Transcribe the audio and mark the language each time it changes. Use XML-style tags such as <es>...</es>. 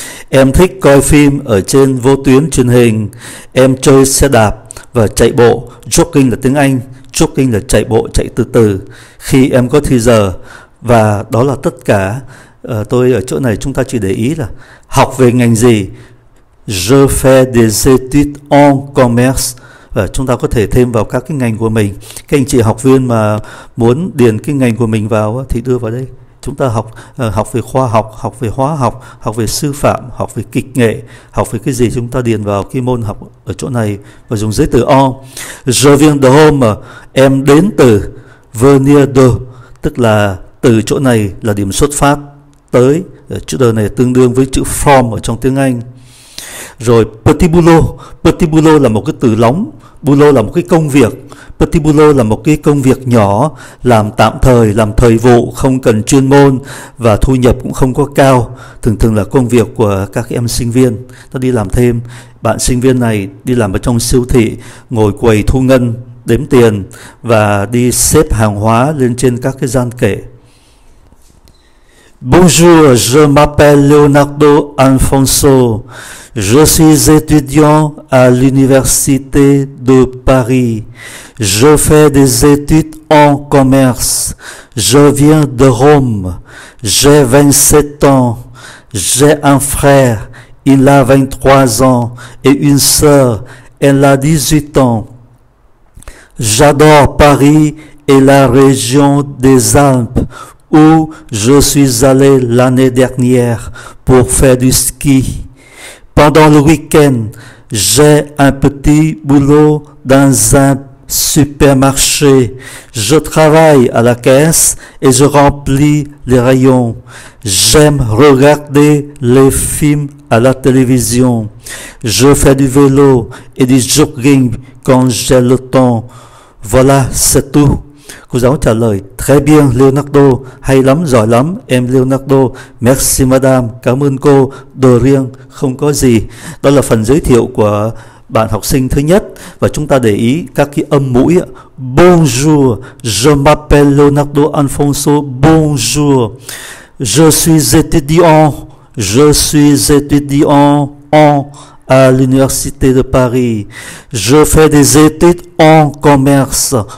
<vi>Em thích coi phim ở trên vô tuyến truyền hình. Em chơi xe đạp và chạy bộ, jogging là tiếng Anh, jogging là chạy bộ, chạy từ từ khi em có thì giờ. Và đó là tất cả. Tôi ở chỗ này chúng ta chỉ để ý là học về ngành gì.</vi> <fr>Je fais des études en commerce.</fr> <vi>Và chúng ta có thể thêm vào các cái ngành của mình. Các anh chị học viên mà muốn điền cái ngành của mình vào thì đưa vào đây. Chúng ta học học về khoa học, học về hóa học, học về sư phạm, học về kịch nghệ, học về cái gì chúng ta điền vào cái môn học ở chỗ này và dùng giấy từ O.</vi> <fr>Je viens de home,</fr> <vi>em đến từ venir de, tức là từ chỗ này là điểm xuất phát tới. Chữ de này tương đương với chữ from ở trong tiếng Anh. Rồi petit boulot. Petit boulot là một cái từ lóng. Boulot là một cái công việc. Petit boulot là một cái công việc nhỏ, làm tạm thời, làm thời vụ, không cần chuyên môn và thu nhập cũng không có cao. Thường thường là công việc của các em sinh viên, nó đi làm thêm. Bạn sinh viên này đi làm ở trong siêu thị, ngồi quầy thu ngân, đếm tiền và đi xếp hàng hóa lên trên các cái gian kệ.</vi> <fr>Bonjour, je m'appelle Leonardo Alfonso. Je suis étudiant à l'Université de Paris. Je fais des études en commerce. Je viens de Rome. J'ai 27 ans. J'ai un frère. Il a 23 ans. Et une sœur. Elle a 18 ans. J'adore Paris et la région des Alpes où je suis allé l'année dernière pour faire du ski. Pendant le week-end, j'ai un petit boulot dans un supermarché. Je travaille à la caisse et je remplis les rayons. J'aime regarder les films à la télévision. Je fais du vélo et du jogging quand j'ai le temps. Voilà, c'est tout.</fr> <vi>Cô giáo trả lời,</vi> <fr>très bien Leonardo,</fr> <vi>hay lắm, giỏi lắm, em Leonardo,</vi> <fr>merci madame,</fr> <vi>cảm ơn cô,</vi> <fr>de rien,</fr> <vi>không có gì. Đó là phần giới thiệu của bạn học sinh thứ nhất, và chúng ta để ý các cái âm mũi.</vi> <fr>Bonjour, je m'appelle Leonardo Alfonso, bonjour, je suis étudiant en à l'Université de Paris, je fais des études en commerce.</fr>